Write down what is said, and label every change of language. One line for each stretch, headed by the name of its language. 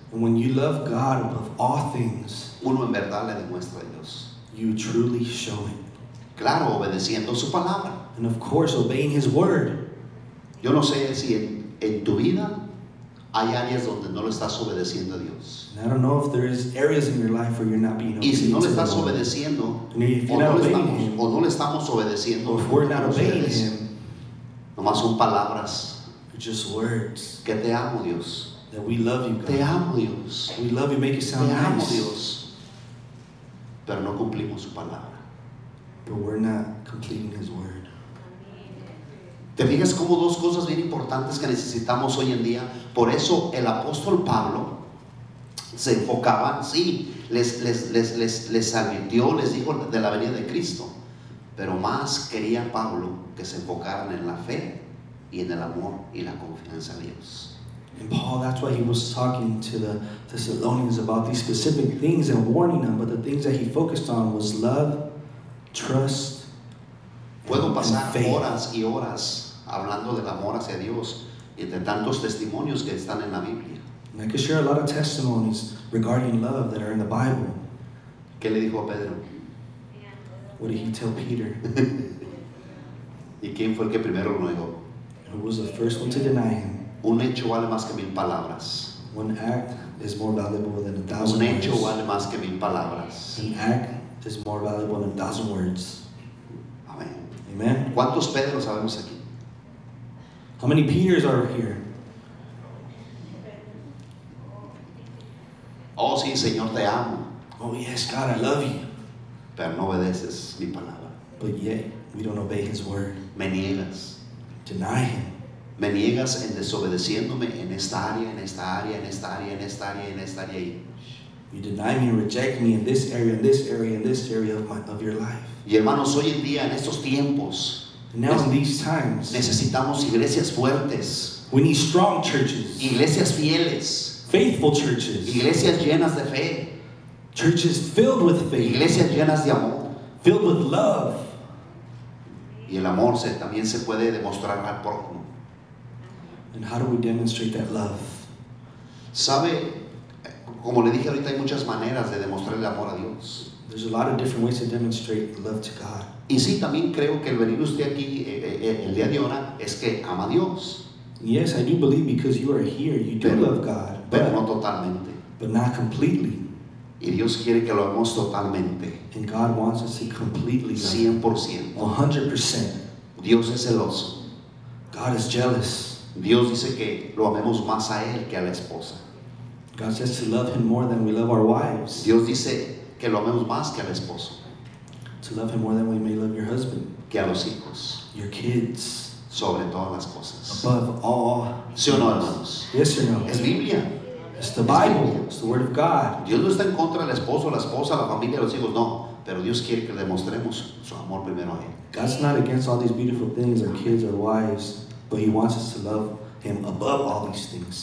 English: and when you love God above all things,
Spanish: uno en verdad le demuestra a Dios.
English: You truly show it.
Spanish: Claro, obedeciendo su palabra.
English: And of course, obeying His word.
Spanish: Yo no sé si en tu vida hay áreas donde no lo estás obedeciendo a Dios.
English: And I don't know if there is areas in your life where you're not being obedient.
Spanish: Y si no le estás obedeciendo, o no le estamos obedeciendo,
English: or if we're not obeying Him,
Spanish: nomás son palabras.
English: It's just words.
Spanish: Que te amo, Dios.
English: That we love you, God.
Spanish: Te amo, Dios.
English: We love you, make it sound
Spanish: te amo,
English: nice.
Spanish: Dios. Pero no cumplimos su palabra.
English: But we're not completing His word.
Spanish: ¿Te fijas cómo dos cosas bien importantes que necesitamos hoy en día? Por eso el apóstol Pablo se enfocaba, sí, les advirtió, les dijo de la venida de Cristo, pero más quería Pablo que se enfocaran en la fe y en el amor y la confianza en Dios.
English: And Paul, that's why he was talking to the Thessalonians about these specific things and warning them, but the things that he focused on was love, trust.
Spanish: Puedo pasar horas y horas hablando del amor hacia Dios y de tantos testimonios que están en la Biblia.
English: And I could share a lot of testimonies regarding love that are in the Bible.
Spanish: ¿Qué le dijo a Pedro?
English: What did he tell Peter?
Spanish: ¿Y quién fue el que primero lo negó?
English: Who was the first one to deny him?
Spanish: Un hecho vale más que mil palabras.
English: One act is more valuable than a thousand
Spanish: words. Un hecho
English: words.
Spanish: Vale más que mil palabras.
English: An act is more valuable than a thousand words.
Spanish: Amen. ¿Cuántos Pedros sabemos aquí?
English: How many Peters are here?
Spanish: Oh, sí, Señor, te amo.
English: Oh, yes, God, I love you.
Spanish: Pero no obedeces mi palabra.
English: But yet, we don't obey His word.
Spanish: Me niegas.
English: Deny Him.
Spanish: Me niegas en desobedeciéndome en esta área, en esta área, en esta área, en esta área, en esta área.
English: You deny me, reject me in this area, in this area, in this area of your life.
Spanish: Y hermanos, hoy en día, en estos tiempos,
English: now in these times,
Spanish: necesitamos iglesias fuertes.
English: We need strong churches.
Spanish: Iglesias fieles.
English: Faithful churches.
Spanish: Iglesias llenas de fe.
English: Churches filled with faith.
Spanish: Iglesias llenas de amor.
English: Filled with love.
Spanish: Y el amor también se puede demostrar al prójimo.
English: And how do we demonstrate that love?
Spanish: ¿Sabe? Como le dije ahorita, hay muchas maneras de demostrar el amor a Dios.
English: There's a lot of different ways to demonstrate love to God.
Spanish: Y sí, también creo que el venir usted aquí el día de ahora es que ama a Dios.
English: Yes, I do believe because you are here, you do love God.
Spanish: Pero no totalmente.
English: But not completely.
Spanish: Y Dios quiere que lo amemos totalmente.
English: And God wants us to completely love. 100%. 100%.
Spanish: Dios es celoso.
English: God is jealous.
Spanish: Dios dice que lo amemos más a Él que a la esposa.
English: God says to love Him more than we love our wives.
Spanish: Dios dice que lo amemos más que al esposo.
English: To love Him more than we may love your husband.
Spanish: Que a los hijos.
English: Your kids.
Spanish: sobre todas las cosas.
English: Above all.
Spanish: ¿Sí o no, hermanos?
English: Yes or no?
Spanish: Es Biblia.
English: It's the Bible. It's the Word of God.
Spanish: Dios no está en contra del esposo, la esposa, la familia, los hijos, no. Pero Dios quiere que demostremos su amor primero a Él.
English: God's not against all these beautiful things, our kids, our wives, but He wants us to love Him above all these things.